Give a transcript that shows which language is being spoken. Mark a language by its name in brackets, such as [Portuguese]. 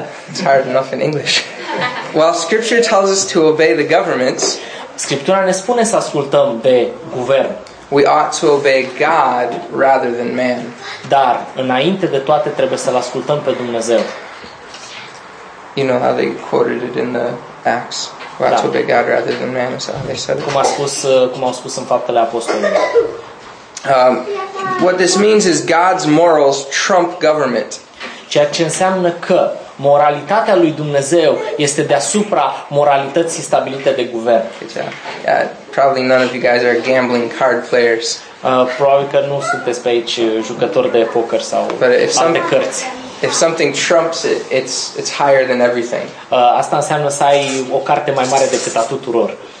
[English] While scripture tells us to obey the governments, [Romanian] Scriptura ne spune să ascultăm de guvern. [English] We ought to obey God rather than man. [Romanian] Dar înainte de toate trebuie să-l ascultăm pe Dumnezeu. [English] You know how they quoted it in the Acts. We ought to obey God rather than man, is that how they said it? [Romanian] Cum au spus în Faptele Apostolilor. [English] What this means is God's morals trump government. [Romanian] Ceea ce înseamnă că moralitatea lui Dumnezeu este deasupra moralității stabilite de guvern. [English] Probably none of you guys are gambling card players. [Romanian] Probabil că nu sunteți pe aici jucători de poker sau alte cărți. [English] If something trumps it, it's higher than everything. [Romanian] Asta înseamnă să ai o carte mai mare decât a tuturor.